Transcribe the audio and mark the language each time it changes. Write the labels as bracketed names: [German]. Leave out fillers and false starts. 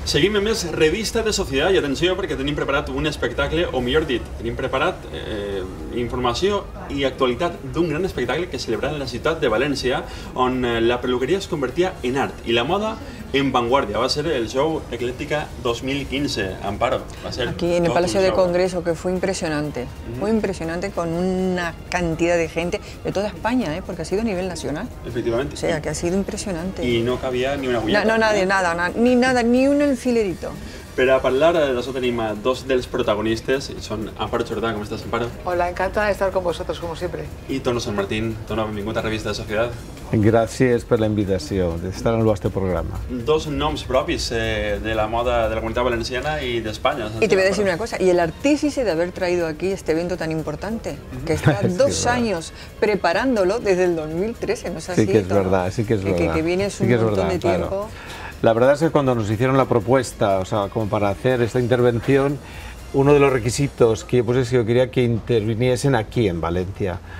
[Catalan] Seguim amb més revista de societat I atenció perquè tenim preparat un espectacle, o millor dit, tenim preparat informació I actualitat d'un gran espectacle que celebrava la ciutat de València on la peluqueria es convertia en art I la moda en vanguardia. Va ser el show Eclèctica 2015, Amparo. Va ser [Spanish] aquí en el Palacio de Congreso, que fue impresionante. Uh-huh. Fue impresionante con una cantidad de gente de toda España, porque ha sido a nivel nacional. Efectivamente. O sea, que ha sido impresionante. Y no cabía ni una agulleta. No, nadie, nada, ni nada, ni un alfilerito. Pero a hablar de eso tenemos dos de los protagonistas, son Amparo Chordà, ¿cómo estás, Amparo? Hola, encantada de estar con vosotros, como siempre. Y Tono San Martín, Tono, bienvenido a Revista de Sociedad. [Catalan] Gràcies per la invitació d'estar en el vostre programa. Dos noms propis de la moda de la comunitat valenciana i d'Espanya. [Spanish] I te voy a decir una cosa, y el artífice de haber traído aquí este evento tan importante, que está dos años preparándolo desde el 2013, ¿no es así? Sí que es verdad, sí que es verdad. Que vienes un montón de tiempo. La verdad es que cuando nos hicieron la propuesta, o sea, como para hacer esta intervención, uno de los requisitos que yo puse es que yo quería que interviniesen aquí en Valencia.